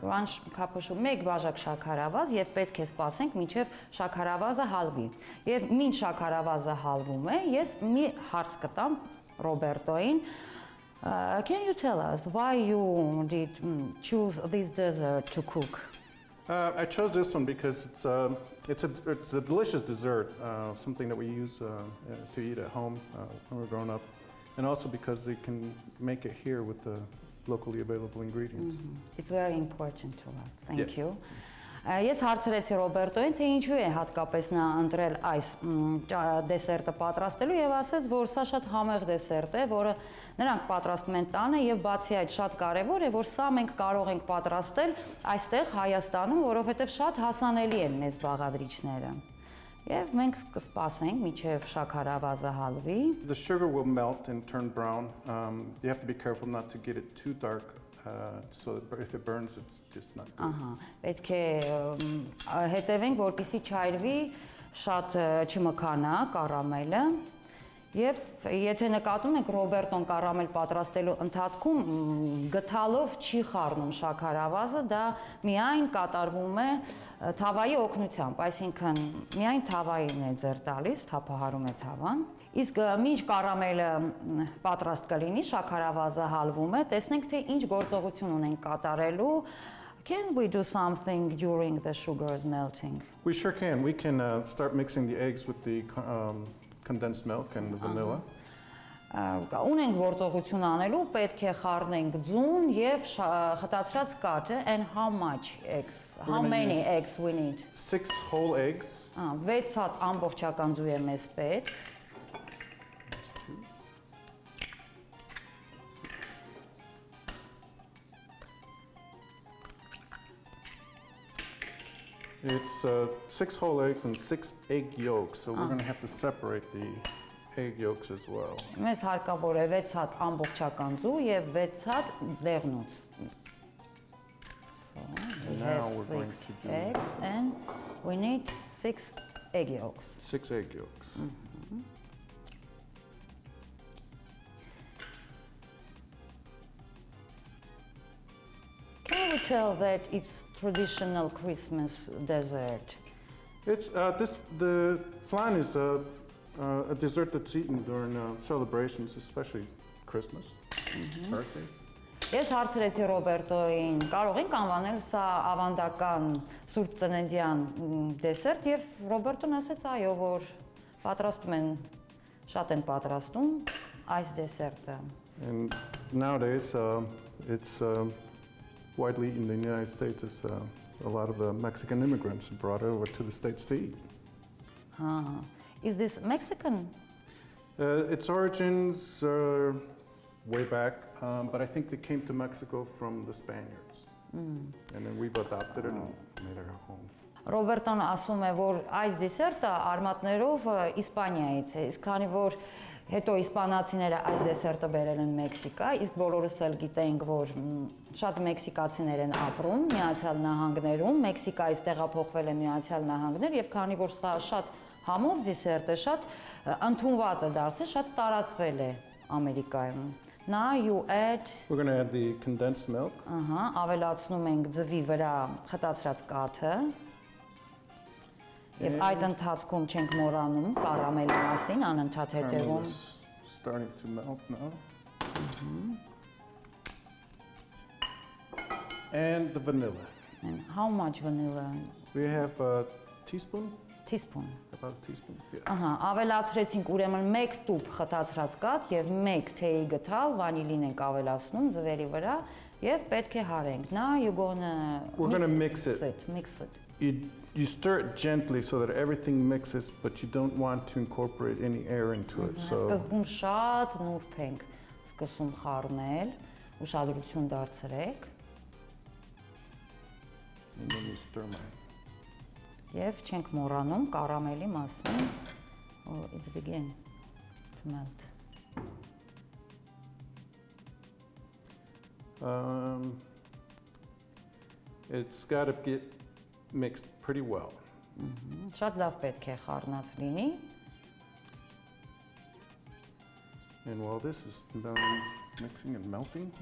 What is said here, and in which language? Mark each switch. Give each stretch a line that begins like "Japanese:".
English: 1 cup of sugar,
Armenian: 1 բաժակ շաքարավազ եւ պետք է սպասենք, մինչեւ շաքարավազը հալվի։ Եվ մինչ շաքարավազը հալվում է, ես մի հարց կտամ Ռոբերտոին.
English: Can you tell us why you did choose this dessert to cook? I chose this one because it's a delicious dessert, something that we use to eat at home when we're growing up, and also because they can make it here with the locally available ingredients. Mm-hmm. It's very important to us. Thank you.
Armenian: Ես հարցրեցի Ռոբերտոին, թե ինչու է հատկապես նա ընտրել այս դեսերտը պատրաստելու եւ ասաց, որ սա շատ համեղ դեսերտ է, որը նրանք պատրաստում են տանը եւ բացի այդ շատ կարեւոր է, որ սա մենք կարող ենք պատրաստել այստեղ Հայաստանում, որովհետեւ շատ հասանելի են մեզ բաղադրիչները։ Եվ մենք կսպասենք, մինչեւ շաքարավազը հալվի։
English: The sugar will melt and turn brown. You have to be careful not to get it too dark. So if it burns, it's just not good.
Armenian: Ահա, պետք է հետևենք, որպեսզի չայրվի շատ, չմքանա կարամելը։ Եվ եթե նկատում եք, Ռոբերտոն կարամել պատրաստելու ընթացքում գթալով չի խառնում շաքարավազը, դա միայն կատարվում է թավայի օգնությամբ, այսինքն միայն թավային է ձեր տալիս, թափահարում է թավան։ Իսկ մինչ կարամելը պատրաստ կլինի, շաքարավազը հալվում է, տեսնենք թե ինչ գործողություն ունենք կատարելու։
English: Can we do something during the sugar's melting? We sure can. We can start mixing the eggs with the condensed milk and the vanilla.
Armenian: Ունենք գործողություն անելու, պետք է խառնենք ձուն եւ խտացրած կաթը.
English: And how much eggs? How many eggs we need? 6 whole eggs.
Armenian: 6 հատ ամբողջական ձու է մեզ պետք.
English: It's 6 whole eggs and 6 egg yolks, so we're going to have to separate the egg yolks as well.
Armenian: Մեզ հարկավոր է 6 հատ ամբողջական ձու եւ 6 հատ դեղնուց։
English: So, now we're going to do eggs and we need 6 egg yolks. 6 egg yolks. Can we tell that it's traditional Christmas dessert? It's this the flan is a dessert that's eaten during celebrations, especially Christmas, mm-hmm. birthdays.
Armenian: Ես հարցրեցի Ռոբերտոին, կարող ենք անվանել սա ավանդական Սուրբ Ծննդյան դեսերտ եւ Ռոբերտոն ասաց այո, որ պատրաստում են շատ են պատրաստում այս դեսերտը.
English: And nowadays it's widely in the United States as a lot of the Mexican immigrants brought it over to the States to eat. Ha. Is this Mexican? Its origins are way back. But I think they came to Mexico from the Spaniards. Mm. And then we've adopted it and made it our home.
Armenian: Roberto-ն ասում է, որ այս դեսերտը արմատներով Իսպանիայից է, քանի որ հետո իսպանացիները այս դեսերտը բերել են Մեքսիկա, իսկ բոլորս էլ գիտենք, որ շատ մեքսիկացիներ են ապրում Միացյալ Նահանգներում, Մեքսիկայից տեղափոխվել են Միացյալ Նահանգներ, եւ քանի որ սա շատ համով դեսերտ է, շատ ընդունված է դարձել, շատ տարածվել է Ամերիկայում.
English: Now you add. We're going to add the condensed milk.
Armenian: Ահա, ավելացնում ենք ձվի վրա խտացած կաթը։ Եվ այդ ընթացքում չենք մոռանում կարամելի մասին, անընդհատ հետևում։
English: Starting to melt now. And the vanilla. And how much vanilla? We have a teaspoon. Teaspoon. About a teaspoon. Yes.
Armenian: Ահա, ավելացրեցինք ուրեմն 1 տուփ խտացած կաթ եւ 1 թեյի գդալ վանիլին ենք ավելացնում ձվերի վրա եւ պետք է հարենք։
English: Now you're going to We're going to mix it. Mix it. You stir it gently so that everything mixes, but you don't want to incorporate any air into it. So
Armenian: Սկսում շատ նուրբ ենք սկսում խառնել, ուշադրություն դարձրեք։
English: And then you stir my
Armenian: Եվ չենք մոռանում կարամելի մասին, որ
English: it's begin to melt. It's got to get mixed pretty well.
Armenian: Շատ լավ պետք է խառնած լինի.
English: And while this is done mixing and melting,